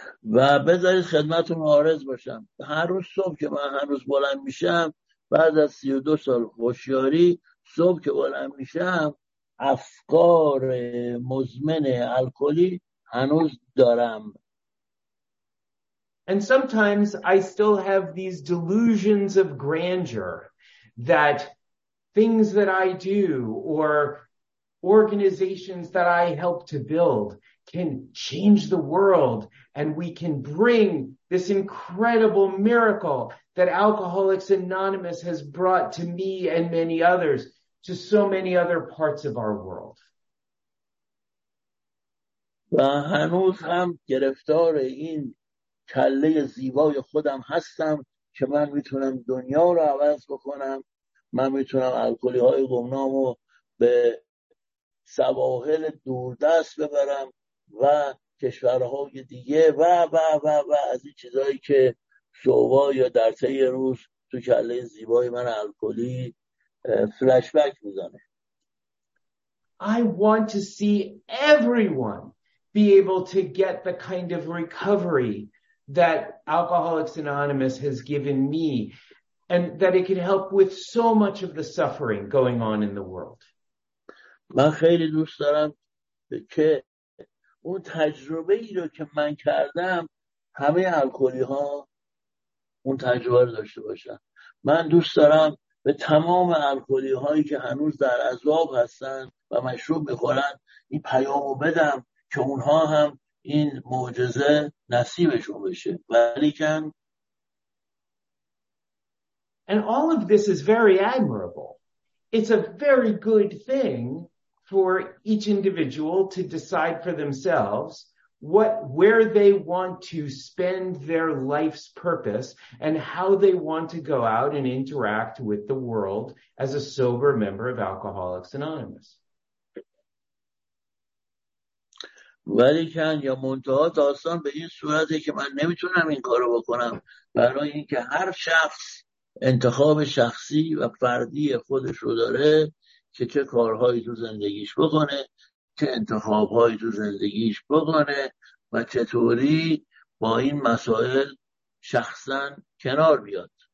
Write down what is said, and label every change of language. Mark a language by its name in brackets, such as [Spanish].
[Persian] و بذارید خدمتتون عارض باشم. هر روز صبح که من هنوز بلند میشم بعد از 32 سال هوشیاری، صبح که بلند میشم افکار مزمن الکلی هنوز دارم. [English] And sometimes I still have these delusions of grandeur that things that I do or organizations that I help to build can change the world and we can bring this incredible miracle that Alcoholics Anonymous has brought to me and many others to so many other parts of our world. [Persian] و هنوز هم گرفتار این کله زیبای خودم هستم که من میتونم دنیا رو عوض بکنم، من میتونم الکلی های گمنامو به سواحل دوردست ببرم و کشورهای دیگه و و و و از این چیزایی که صبا یا در طی روز تو کله زیبای من الکلی فلش بک میزنه. [English] I want to see everyone be able to get the kind of recovery that Alcoholics Anonymous has given me and that it can help with so much of the suffering going on in the world. [Persian] من خیلی دوست دارم که اون تجربه ای رو که من کردم همه الکلی ها اون تجربه رو داشته باشن. من دوست دارم به تمام الکلی هایی که هنوز در عذاب هستن و مشروب میخورن این پیامو بدم که اونها هم این معجزه نصیبشون بشه. ولیکن [English] And all of this is very admirable. It's a very good thing for each individual to decide for themselves where they want to spend their life's purpose and how they want to go out and interact with the world as a sober member of Alcoholics Anonymous. [Persian] ولیکن یا منتها داستان به این صورته که من نمیتونم این کارو بکنم، برای اینکه هر شخص انتخاب شخصی و فردی خودش رو داره که چه کارهایی تو زندگیش بکنه، چه انتخابهایی تو زندگیش بکنه و چطوری با این مسائل شخصا کنار بیاد.